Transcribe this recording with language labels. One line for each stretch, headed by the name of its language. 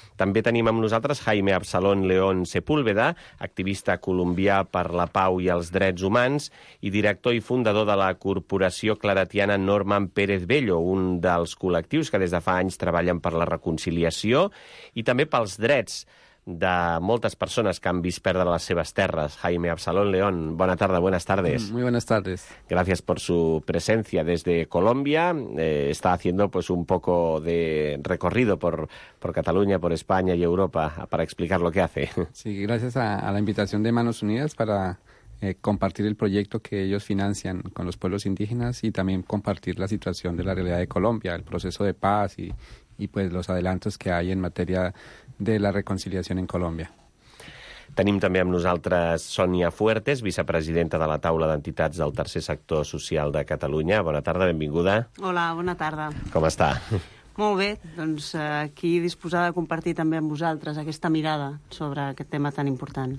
Catalan: També tenim amb nosaltres Jaime Absalón León Sepúlveda, activista colombià per la pau i els drets humans i director i fundador de la corporació claretiana Norman Pérez Bello, un dels col·lectius que des de fa anys treballen per la reconciliació i també pels drets de moltes persones que han vist perdre les seves terres. Jaime Absalón León, bona tarda,
Spanish: buenas tardes. Muy buenas tardes. Gracias por su presencia desde Colombia. Está haciendo pues un poco de recorrido por Cataluña, por España y Europa para explicar lo que hace. Sí, gracias a la invitación de Manos Unidas para compartir el proyecto que ellos financian con los pueblos indígenas y también compartir la situación de la realidad de Colombia, el proceso de paz y pues los adelantos que hay en materia de la reconciliación en Colombia.
Catalan: Tenim també amb nosaltres Sònia Fuertes, vicepresidenta de la taula d'entitats del tercer sector social de Catalunya. Bona tarda, benvinguda. Hola, bona tarda. Com està? Molt bé, doncs aquí disposada a compartir també amb vosaltres aquesta mirada sobre aquest tema tan important.